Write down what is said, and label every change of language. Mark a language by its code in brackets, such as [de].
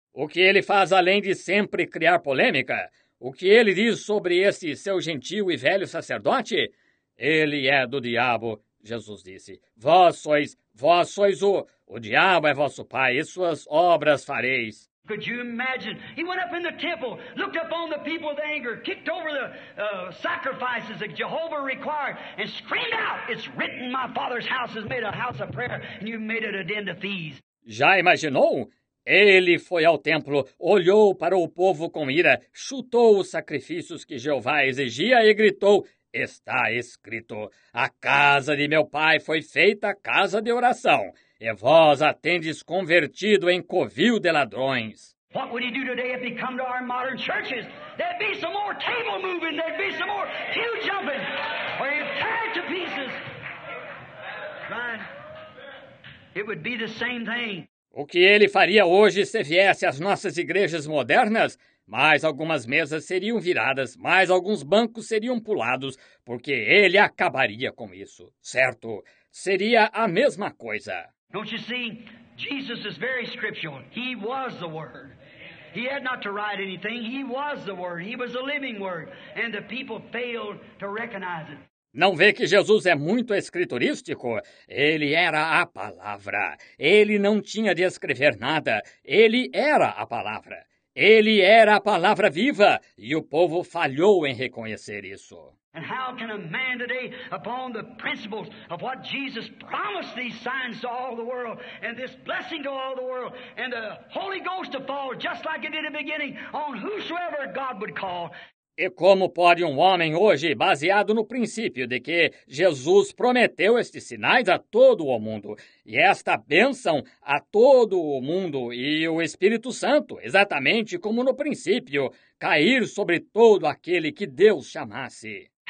[pt] O que ele faz além de sempre criar polêmica? O que ele diz sobre esse seu gentil e velho sacerdote? Ele é do diabo, Jesus disse. Vós sois o diabo é vosso pai, e suas obras fareis. [en] Could you imagine? He went up in the temple, looked up on the people with anger, kicked over the sacrifices that Jehovah required, and screamed out, it's written, my father's house is made a house of prayer, and you made it a den of thieves. [pt] Já imaginou? Ele foi ao templo, olhou para o povo com ira, chutou os sacrifícios que Jeová exigia e gritou, está escrito, a casa de meu pai foi feita casa de oração, e vós a tendes convertido em covil de ladrões. [en] What would he do today if he come to our modern churches? There'd be some more table moving, there'd be some more pew jumping, or he'd tear it to pieces. Fine. It would be the same thing. [pt] O que ele faria hoje se viesse às nossas igrejas modernas? Mais algumas mesas seriam viradas, mais alguns bancos seriam pulados, porque ele acabaria com isso, certo? Seria a mesma coisa. [en] Don't you see? Jesus is very scriptural. He was the Word. He had not to write anything. He was the Word. He was the living Word. And the people failed to recognize it. [pt] Não vê que Jesus é muito escriturístico? Ele era a palavra. Ele não tinha de escrever nada. Ele era a palavra. Ele era a palavra viva. E o povo falhou em reconhecer isso. [en] And how can a man today, upon the principles of what Jesus promised these signs to all the world, and this blessing to all the world, and the Holy Ghost to fall, just like it did in the beginning, on whosoever God would call? [pt] E como pode um homem hoje, baseado no princípio de que Jesus prometeu estes sinais a todo o mundo, e esta bênção a todo o mundo e o Espírito Santo, exatamente como no princípio, cair sobre todo aquele que Deus chamasse?